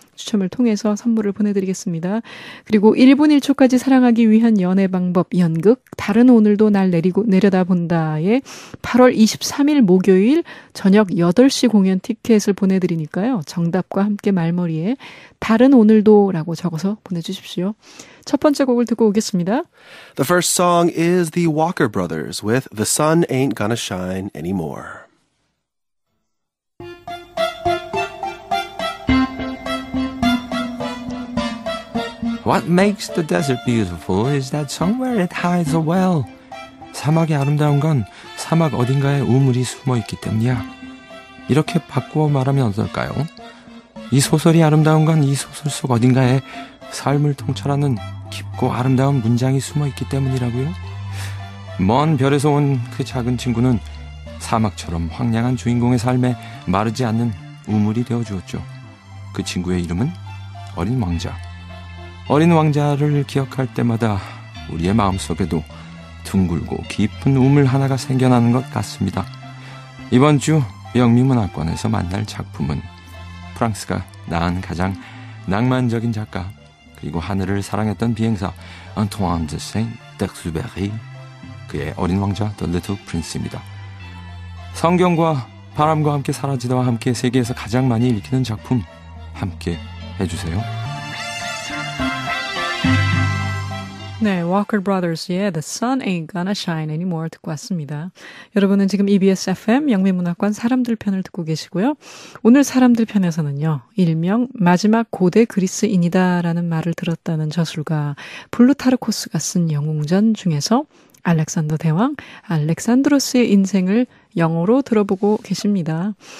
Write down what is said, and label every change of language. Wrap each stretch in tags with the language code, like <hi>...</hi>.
<ko>추첨을 통해서 선물을 보내드리겠습니다. 그리고 1분 1초까지 사랑하기 위한 연애 방법 연극 다른 오늘도 날 내려다본다에 8월 23일 목요일 저녁 8시 공연 티켓을 보내드리니까요. 정답과 함께 말머리에 다른 오늘도라고 적어서 보내주십시오. 첫 번째 곡을 듣고 오겠습니다.</ko> <en>The first song is the Walker Brothers with The Sun Ain't Gonna Shine Anymore. What makes the desert beautiful is that somewhere it hides a well.</en> <ko>사막이 아름다운 건 사막 어딘가에 우물이 숨어 있기 때문이야. 이렇게 바꾸어 말하면 어떨까요? 이 소설이 아름다운 건 이 소설 속 어딘가에 삶을 통찰하는 깊고 아름다운 문장이 숨어 있기 때문이라고요? 먼 별에서 온 그 작은 친구는 사막처럼 황량한 주인공의 삶에 마르지 않는 우물이 되어주었죠. 그 친구의 이름은 어린 왕자. 어린 왕자를 기억할 때마다 우리의 마음속에도 둥글고 깊은 우물 하나가 생겨나는 것 같습니다. 이번 주 영미문학관에서 만날 작품은 프랑스가 낳은 가장 낭만적인 작가, 그리고 하늘을 사랑했던 비행사 안투안 드 생텍스베리, 그의 어린 왕자 더 리틀 프린스입니다. 성경과 바람과 함께 사라지다와 함께 세계에서 가장 많이 읽히는 작품 함께 해주세요. 네, Walker Brothers의 The Sun Ain't Gonna Shine Anymore 듣고 왔습니다. 여러분은 지금 EBS FM 영미문학관 사람들 편을 듣고 계시고요. 오늘 사람들 편에서는요, 일명 마지막 고대 그리스인이다라는 말을 들었다는 저술가 플루타르코스가 쓴 영웅전 중에서 알렉산더 대왕, 알렉산드로스의 인생을 영어로 들어보고 계십니다.</ko>